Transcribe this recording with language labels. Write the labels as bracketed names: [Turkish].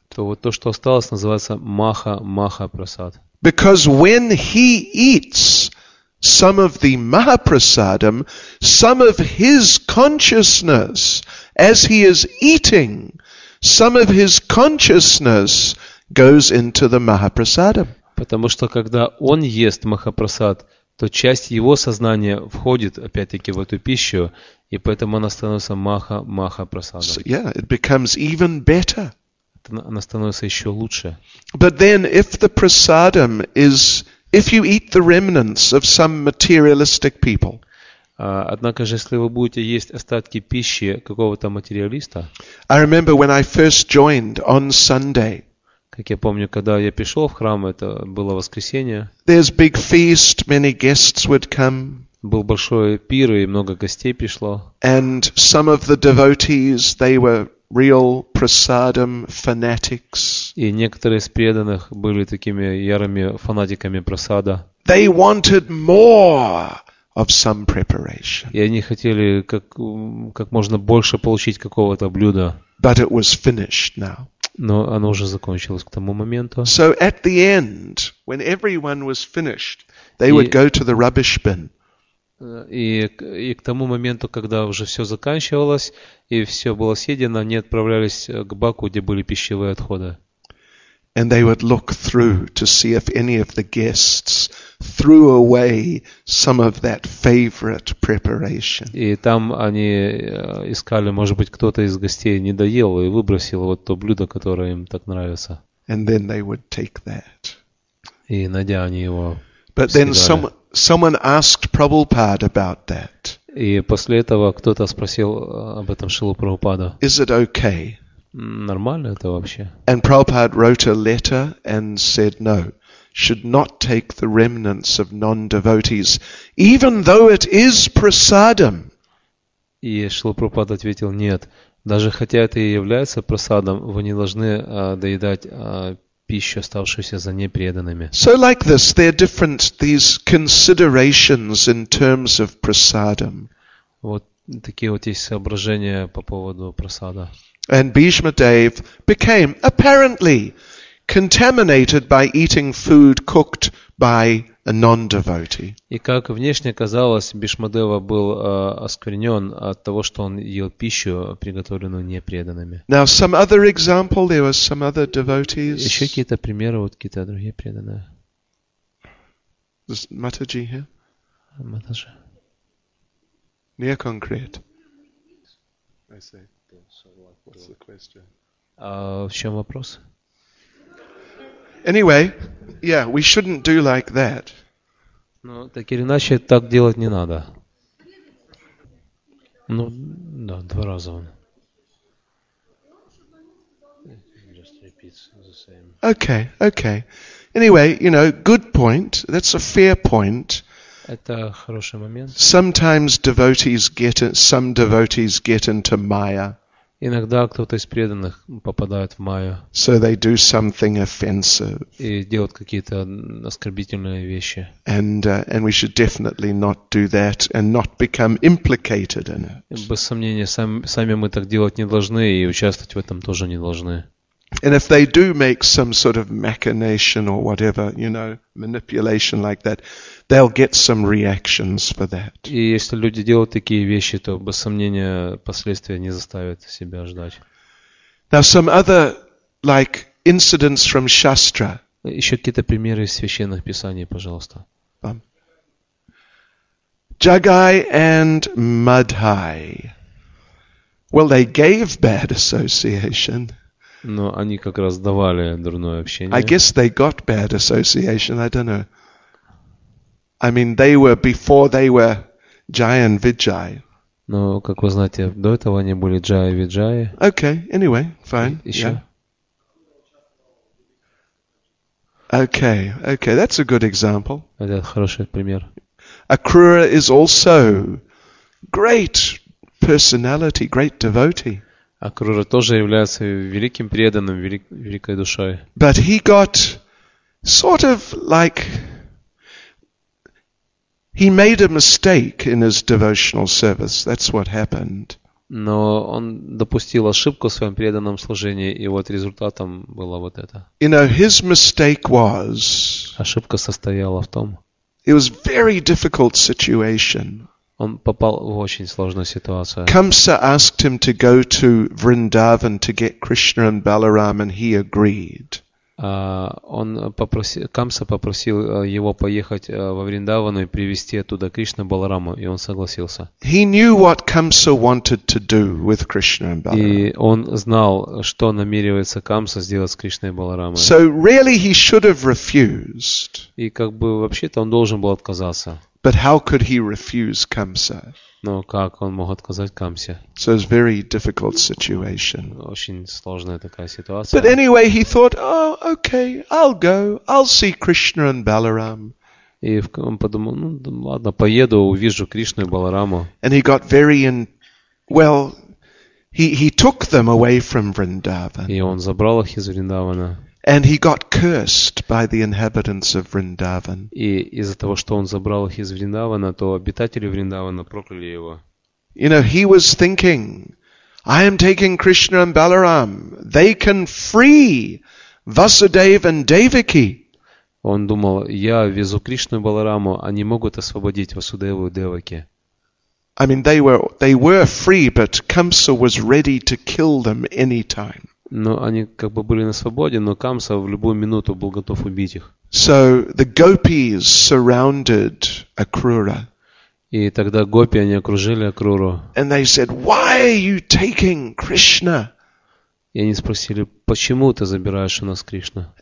[Russian] То вот то, что осталось, называется маха-маха-прасад. [English] Because when he eats some of the maha-prasadam, some of his consciousness, as he is eating, some of his consciousness goes into the maha-prasadam. [Russian] Потому что когда он ест махапрасад, то часть его сознания входит опять-таки в эту пищу, и поэтому она становится маха-маха-прасадом. [English] So, yeah, it becomes even better. [Russian] Она становится еще лучше. [English] But then, if the prasadam is, if you eat the remnants of some materialistic people, [Russian] однако же, если вы будете есть остатки пищи какого-то материалиста, [English] I remember when I first joined on Sunday. [Russian] Как я помню, когда я пришел в храм, это было воскресенье. [English] There's big feast, many guests would come. [Russian] Был большой пир, и много гостей пришло. [English] And some of the devotees, they were real prasadam fanatics. [Russian] И некоторые из преданных были такими ярыми фанатиками прасада. [English] They wanted more of some preparation. [Russian] И они хотели как можно больше получить какого-то блюда. [English] But it was finished now. [Russian] Но оно уже закончилось к тому моменту. [English] So at the end, when everyone was finished, they would go to the rubbish bin. [Russian] И к тому моменту, когда уже все заканчивалось и все было съедено, они отправлялись к баку, где были пищевые отходы. [English] And they would look through to see if any of the guests threw away some of that favorite preparation. [Russian] И там они искали, может быть, кто-то из гостей не доел и выбросил вот то блюдо, которое им так нравится. [English] And then they would take that. [Russian] И найдя они его. [English] But then someone asked Prabhupada about that. [Russian] И после этого кто-то спросил об этом Шрилу Прабхупаду. [English] Is it okay? [Russian] Нормально это вообще? [English] And Prabhupada wrote a letter and said no. Should not take the remnants of non-devotees, even though it is prasadam. [Russian] И Шрила Прабхупада ответил нет. Даже хотя это и является прасадом, вы не должны доедать пищу, оставшуюся за непреданными. [English] So like this, there are different these considerations in terms of prasadam. [Russian] Вот такие вот есть соображения по поводу прасада. [English] And Bhishma Dev became apparently contaminated by eating food cooked by a non-devotee. [Russian] И как внешне казалось, Бишмадева был осквернен от того, что он ел пищу, приготовленную непреданными. [English] Now some other example, there were some other devotees. [Russian] Еще какие-то примеры, вот какие-то другие преданные. [English] Is Mataji here? Mataji. Near concrete. I see. [Russian] В чем вопрос? [English] Anyway, yeah, we shouldn't do like that. [Russian] Ну, так или иначе, так делать не надо. Ну, да, два раза он. [English] Okay, okay. Anyway, you know, good point. That's a fair point. [Russian] Это хороший момент. [English] Sometimes some devotees get into Maya. [Russian] Иногда кто-то из преданных попадает в майю. [English] So they do something offensive. [Russian] И делают какие-то оскорбительные вещи. [English] And we should definitely not do that and not become implicated in it. [Russian] Без сомнения, сами мы так делать не должны и участвовать в этом тоже не должны. [English] And if they do make some sort of machination or whatever, you know, manipulation like that, they'll get some reactions for that. [Russian] И если люди делают такие вещи, то, без сомнения, последствия не заставят себя ждать. [English] Now some other like incidents from Shastra. [Russian] Еще какие-то примеры из священных писаний, пожалуйста. [English] Jagai and Madhai. Well, they gave bad association. [Russian] Но они как раз давали дурное общение. [English] I guess they got bad association, I don't know. I mean, they were before they were Jaya and Vijay. [Russian] Но, как вы знаете, до этого они были Jaya и Vijay. [English] Okay, anyway, fine. [Russian] Еще. [English] Yeah. Okay, that's a good example. [Russian] Это хороший пример. [English] Akrura is also great personality, great devotee. [Russian] Акрура тоже является великим преданным, великой душой. [English] But he got sort of like he made a mistake in his devotional service. That's what happened. [Russian] Но он допустил ошибку в своем преданном служении, и вот результатом было вот это. [English] You know, his mistake was. [Russian] Ошибка состояла в том. [English] It was very difficult situation. [Russian] Он попал в очень сложную ситуацию. [English] Kamsa asked him to go to Vrindavan to get Krishna and Balaram, and he agreed. [Russian] Kamsa попросил его поехать во Вриндаван и привезти оттуда Кришну и Баларама, и он согласился. [English] He knew what Kamsa wanted to do with Krishna and Balaram. [Russian] И он знал, что намеревается Камса сделать с Кришной и Баларамой. [English] So really he should have refused. [Russian] И как бы вообще-то он должен был отказаться. [English] But how could he refuse Kamsa? [Russian] Но как он мог отказать Камсе? [English] So it's a very difficult situation. [Russian] Очень сложная такая ситуация. [English] But anyway, he thought, oh, okay, I'll go. I'll see Krishna and Balaram. [Russian] И он подумал, ну ладно, поеду, увижу Кришну и Балараму. [English] And he got very he took them away from Vrindavan. [Russian] И он забрал их из Вриндавана. [English] And he got cursed by the inhabitants of Vrindavan. [Russian] И из-за того, что он забрал их из Вриндавана, то обитатели Вриндавана прокляли его. [English] You know, he was thinking, I am taking Krishna and Balaram. They can free Vasudev and Devaki. [Russian] Он думал, я везу Кришну и Балараму, они могут освободить Васудеву и Деваки. [English] I mean, they were free, but Камса was ready to kill them anytime. [Russian] Но они как бы были на свободе, но Камса в любую минуту был готов убить их. [English] So the gopis surrounded Акрура. [Russian] И тогда гопи они окружили Акруру. [English] And they said, "Why are you taking Krishna?" [Russian] И они спросили, почему ты забираешь у нас Кришну?